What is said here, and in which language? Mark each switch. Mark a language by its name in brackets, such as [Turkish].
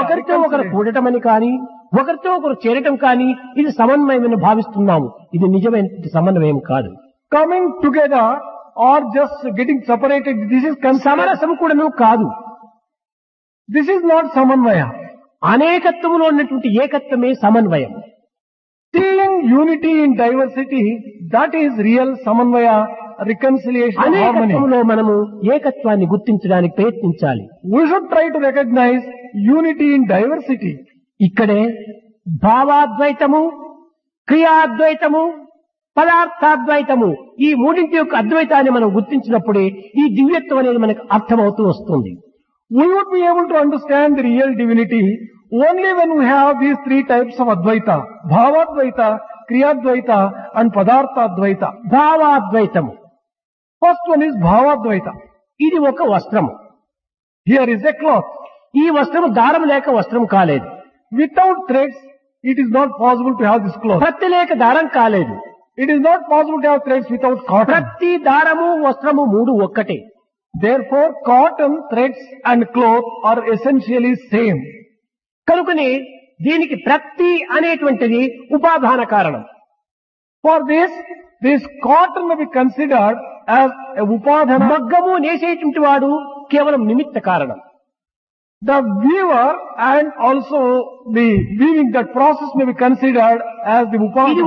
[Telugu] ఒకరితో ఒకరు కూడటం అని కానీ ఒకరితో ఒకరు చేరటం కానీ ఇది సమన్వయం అని భావిస్తున్నాము. ఇది నిజమైన సమన్వయం కాదు. [English] coming together or just getting separated this is [Telugu] సమరసం కూడా కాదు. [English] This is not సమన్వయ. [Telugu] అనేకత్వంలో ఉన్నటువంటి ఏకత్వమే సమన్వయం. [English] Seeing unity in diversity, that is real samanvaya, reconciliation, harmony. [Telugu] అనేకత్వంలో మనము ఏకత్వాన్ని గుర్తించడానికి ప్రయత్నించాలి. [English] We should try to recognize unity in diversity. [Telugu] ఇక్కడే భావాద్వైతము, క్రియాద్వైతము, పదార్థాద్వైతము ఈ మూడింటి యొక్క అద్వైతాన్ని మనం గుర్తించినప్పుడే ఈ దివ్యత్వం అనేది మనకు అర్థమవుతూ వస్తుంది. [English] We would be able to understand the real divinity only when we have these three types of advaita: bhavadvaita, kriyadvaita and padarthadvaita. [Telugu] Bhavadvaitam, [English] first one is bhavadvaita. [Telugu] Idi oka vastram. [English] Here is a cloth. [Telugu] Ee vastram daram leka vastram kaledu. [English] Without threads it is not possible to have this cloth. [Telugu] Patti leka daram kaledu. [English] It is not possible to have threads without cotton. [Telugu] Patti daramu vastramu moodu okkate. [English] Therefore cotton, threads and cloth are essentially same. [Telugu] కనుకనే దీనికి ప్రతి అనేటువంటిది ఉపాధాన కారణం. [English] For this this cotton be considered as ఉపాధాన. [Telugu] మగ్గము నేసేటువంటి వాడు కేవలం నిమిత్త కారణం. [English] The weaver and also the weaving that process be considered as the ఉపాధాన.